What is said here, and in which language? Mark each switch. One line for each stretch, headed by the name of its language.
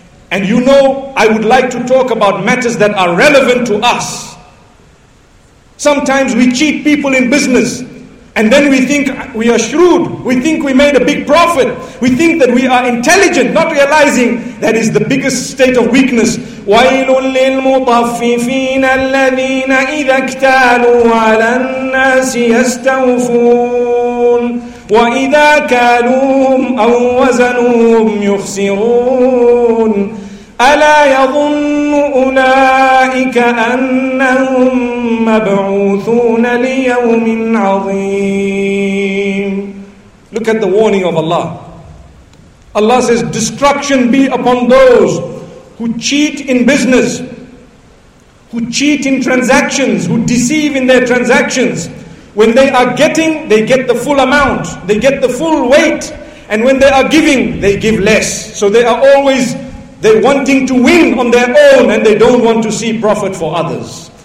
English: And you know, I would like to talk about matters that are relevant to us. Sometimes we cheat people in business, and then we think we are shrewd. We think we made a big profit. We think that we are intelligent, not realizing that is the biggest state of weakness.
Arabic: وَيْلٌ لِلْمُطَفِّفِينَ الَّذِينَ إِذَا اكْتَالُوا عَلَى النَّاسِ يَسْتَوْفُونَ وَإِذَا كَالُوهُمْ أَوْ وَزَنُوهُمْ يُخْسِرُونَ أَلَا يَظُنُّ أُولَٰئِكَ أَنَّهُمْ مَبْعُوثُونَ لِيَوْمٍ عَظِيمٍ
English: Look at the warning of Allah. Allah says, destruction be upon those who cheat in business, who cheat in transactions, who deceive in their transactions. When they are getting, they get the full amount. They get the full weight. And when they are giving, they give less. So they are always, they're wanting to win on their own and they don't want to see profit for others.